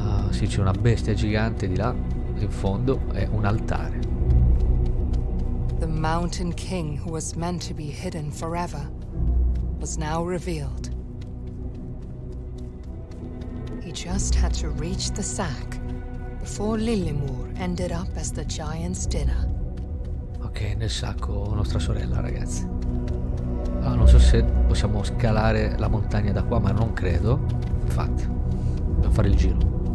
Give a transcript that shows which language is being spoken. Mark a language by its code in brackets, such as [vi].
[it] Sì, c'è una bestia gigante di là, in fondo, è un altare. [en] The mountain king who was meant to be hidden forever was now revealed. He just had to reach the sack before Lilimur ended up as the giant's dinner. [it] Ok, nel sacco nostra sorella, ragazzi. Allora, non so se possiamo scalare la montagna da qua, ma non credo. Infatti, dobbiamo fare il giro.